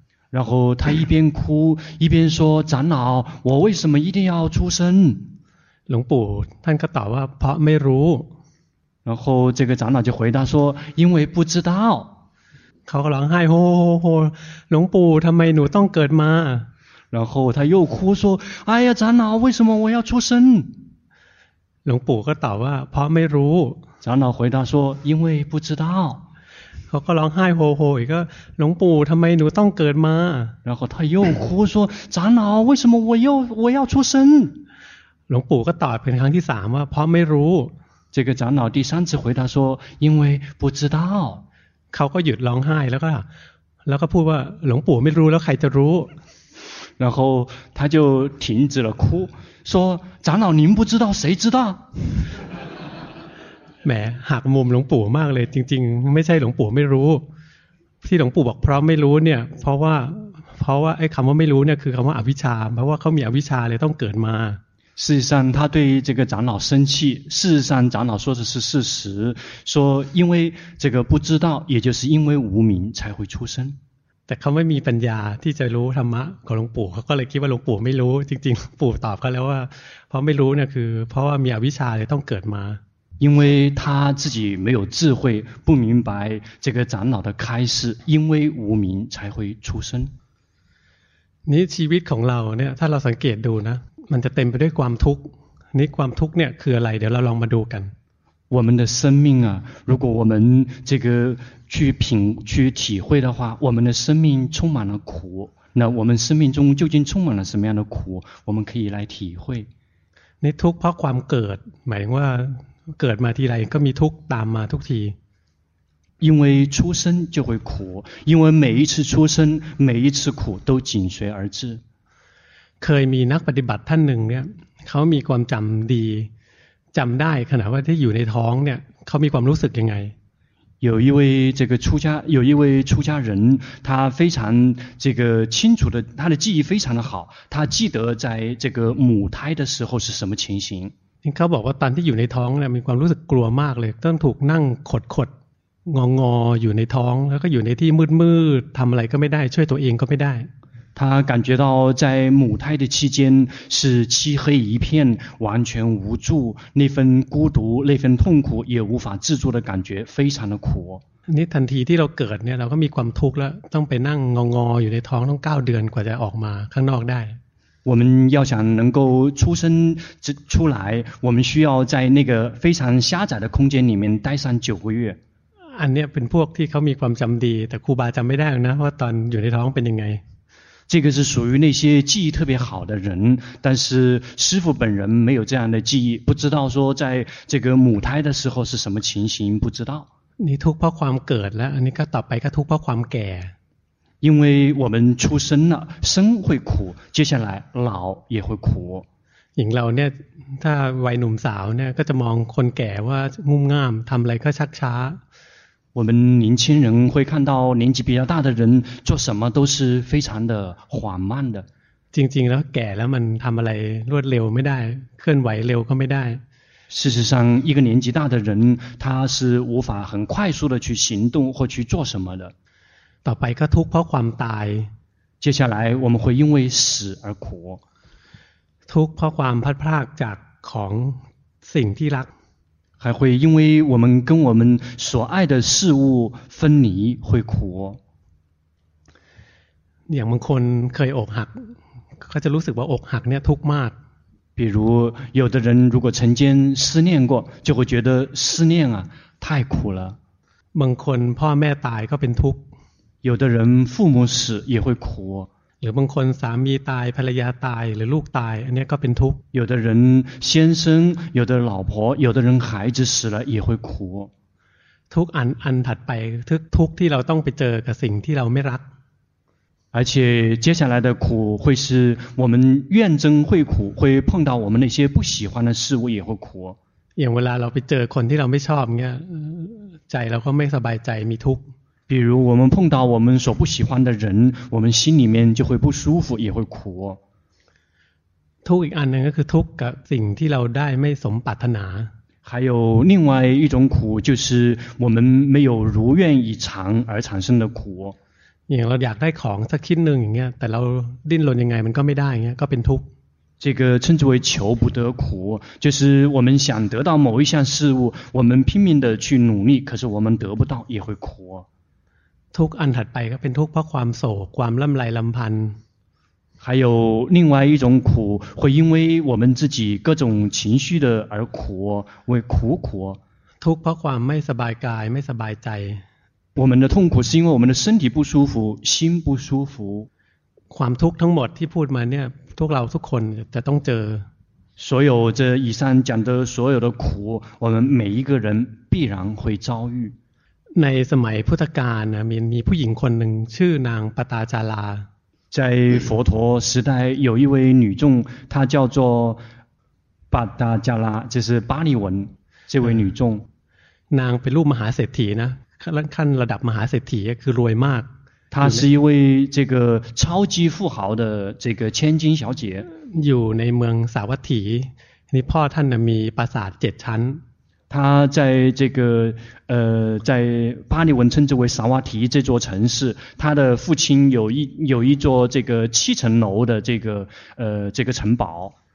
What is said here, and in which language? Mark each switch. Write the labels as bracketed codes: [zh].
[zh] 然后他一边哭一边说长老我为什么一定要出生 [th] หลวงปู่ท่านก็ตอบว่าเพราะไม่รู้ [zh] 然后这个长老就回答说因为不知道 [th] เขาก็ร้องไห้โฮโฮโฮหลวงปู่ทำไมหนูต้องเกิดมา [zh] 然后他又哭说哎呀长老为什么我要出生 [th] หลวงปู่ก็ตอบว่าเพราะไม่รู้ [zh] 长老回答说因为不知道 [th] เขาก็ร้องไห้โฮโฮอีกก็หลวงปู่ทำไมหนูต้องเกิดมา [zh] 然后他又哭说长老为什么我要出生 [th] หลวงปู่ก็ตอบเป็นครั้งที่3ว่าเพราะไม่รู้ [zh] 这个长老第三次回答说因为不知道 [th] เขาก็หยุดร้องไห้แล้วก็พูดว่าหลวงปู่ไม่รู้แล้วใครจะรู้ [zh] 然后他就停止了哭说长老您不知道谁知道 [th] แหมหักมุมหลวงปู่มากเลยจริงๆไม่ใช่หลวงปู่ไม่รู้ที่หลวงปู่บอกเพราะไม่รู้เนี่ยเพราะว่าไอ้คำว่าไม่รู้เนี่ยคือคำว่าอวิชชาเพราะว่าเขามีอวิชชาเลยต้องเกิดมา [zh] 事实上他对这个长老生气事实上长老说的是事实说因为这个不知道也就是因为无明才会出生 [th] แต่เขาไม่มีปัญญาที่จะรู้ธรรมะของหลวงปู่เขาก็เลยคิดว่าหลวงปู่ไม่รู้จริงๆปู่ตอบเขาแล้วว่าเพราะไม่รู้เนี่ยคือเพราะว่ามีอวิชชาเลยต้องเกิดมา [zh] 因为他自己没有智慧不明白这个长老的开示因为无明才会出生 [th] นี่ชีวิตของเราเนี่ยถ้าเราสังเกตดูนะมันจะเต็มไปด้วยความทุกข์นี่ความทุกข์เนี่ยคืออะไรเดี๋ยวเราลองมาดูกัน [zh] 我们的生命啊如果我们这个去品去体会的话我们的生命充满了苦那我们生命中究竟充满了什么样的苦我们可以来体会 [th] นี่ทุกข์เพราะความเกิดหมายว่าเกิดมาทีไรก็มีทุกข์ตามมาทุกที [zh] 因为出生就会苦，因为每一次出生，每一次苦都紧随而至。 [th] เคยมีนักปฏิบัติท่านหนึ่งเนี่ยเขามีความจำดีจำได้ขณะว่าที่อยู่ในท้องเนี่ยเขามีความรู้สึกยังไง [zh] 有一位这个出家，有一位出家人，他非常这个清楚的，他的记忆非常的好，他记得在这个母胎的时候是什么情形。 [th] เขาบอกว่าตอนที่อยู่ในท้องเนี่ยมีความรู้สึกกลัวมากเลยต้องถูกนั่งขดขดงองออยู่ในท้องแล้วก็อยู่ในที่มืดมืดทำอะไรก็ไม่ได้ช่วยตัวเองก็ไม่ได้ [zh] 他感觉到在母胎的期间是漆黑一片，完全无助，那份孤独，那份痛苦也无法自助的感觉，非常的苦。 [th] นี่ทันทีที่เราเกิดเนี่ยเราก็มีความทุกข์แล้วต้องไปนั่งงองออยู่ในท้องต้อง9เดือนกว่าจะออกมาข้างนอกได้ [zh] 我们要想能够出生出来，我们需要在那个非常狭窄的空间里面待上九个月。 [th] อันเนี้ยเป็นพวกที่เขามีความจำดีแต่ครูบาจำไม่ได้นะว่าตอนอยู่ในท้องเป็นยังไง [zh] 这个是属于那些记忆特别好的人，但是师父本人没有这样的记忆，不知道说在这个母胎的时候是什么情形，不知道。你 [th] ทุกข์เพราะความเกิดแล้ว你ก็ต่อไปก็ทุกข์เพราะความแก่。 [zh] 因为我们出生了，生会苦，接下来老也会苦。 [th] อย่างเราเนี่ยถ้าวัยหนุ่มสาวเนี่ยก็จะมองคนแก่ว่างุ่มง่ามทำอะไรก็ชักช้า。 [zh] 我们年轻人会看到年纪比较大的人做什么都是非常的缓慢的。 [th] จริงๆแล้วแก่แล้วมันทำอะไรรวดเร็วไม่ได้เคลื่อนไหวเร็วก็ไม่ได้ [zh] 事实上一个年纪大的人他是无法很快速的去行动或去做什么的。 [th] ต่อไปก็ทุกข์เพราะความตาย [zh] 接下来我们会因为死而苦。 [th] ทุกข์เพราะความพัดพรากจากของสิ่งที่รัก [zh] 还会因为我们跟我们所爱的事物分离会苦。 [th] อย่างบางคนเคยอกหักเขาจะรู้สึกว่าอกหักเนี่ยทุกข์มาก [zh] 比如有的人如果曾经思念过就会觉得思念啊太苦了。 [th] บางคนพ่อแม่ตายก็เป็นทุกข์ [zh] 有的人父母死也会苦。 [th] หรือบางคนสามีตายภรรยาตายหรือลูกตายอันนี้ก็เป็นทุกข์ [zh] 有的人先生有的老婆有的人孩子死了也会苦 [th] ทุกอันอันถัดไปทุกที่เราต้องไปเจอกับสิ่งที่เราไม่รัก [zh] 而且接下来的苦会是我们怨憎会苦会碰到我们那些不喜欢的事物也会苦 [th] อย่างเวลาเราไปเจอคนที่เราไม่ชอบเนี่ยใจเราก็ไม่สบายใจมีทุกข์ [zh] 比如我们碰到我们所不喜欢的人，我们心里面就会不舒服，也会苦。 [th] ทุกข์อีกอันนึงก็คือทุกข์กับสิ่งที่เราได้ไม่สมปรารถนา。 [zh] 还有另外一种苦，就是我们没有如愿以偿而产生的苦。 [th] อย่างเราอยากได้ของสักชิ้นนึงอย่างเงี้ยแต่เราดิ้นรนยังไงมันก็ไม่ได้เงี้ยก็เป็นทุกข์ [zh] 这个称之为求不得苦，就是我们想得到某一项事物，我们拼命的去努力，可是我们得不到也会苦。 [th] ทุกอันถัดไปก็เป็นทุกข์เพราะความโศกความล่ำไรลำพัน [zh] ธ์还有另外一种苦会因为我们自己各种情绪的而苦为苦苦 [th] ทุกข์เพราะความไม่สบายกายไม่สบายใจ [zh] 我们的痛苦是因为我们的身体不舒服心不舒服 [th] ความทุกข์ทั้งหมดที่พูดมาเนี่ยพวกเราทุกคนจะต้องเจ [zh] อ所有这以上讲的所有的苦我们每一个人必然会遭遇 [th] ในสมัยพุทธกาลมีผู้หญิงคนหนึ่งชื่อนางปตาจารา [zh] 在佛陀时代有一位女众她叫做ปตาจารา这是巴利文这位女众 [th] นางเป็นลูกมหาเศรษฐีนะขั้นระดับมหาเศรษฐีคือรวยมาก [zh] 她是一位这个超级富豪的这个千金小姐 [th] อยู่ในเมืองสาวัตถีนี่พ่อท่านมีปราสาท7ชั้น [zh] 他在这个在巴利文称之为萨瓦提这座城市，他的父亲有一座这个七层楼的这个城堡。